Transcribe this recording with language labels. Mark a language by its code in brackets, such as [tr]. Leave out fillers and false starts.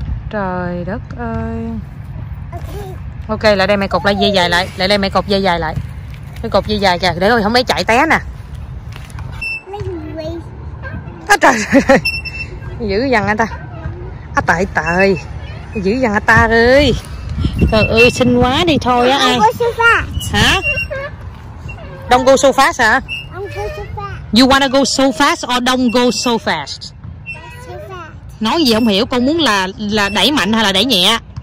[vi] Trời đất ơi. Ok, lại đây mày cột lại dây dài lại. Lại đây mày cột dây dài lại. Cái cột dây dài kìa. Để coi không mấy chạy té nè. Á trời ơi. Dữ dằn anh ta. Á tại tại. Dữ dằn anh ta ơi. Trời ơi xinh quá đi thôi á ai. [en] Hả? Don't go so fast hả? You wanna go so fast or don't go so fast? [vi] Nói gì không hiểu, con muốn là đẩy mạnh hay là đẩy nhẹ?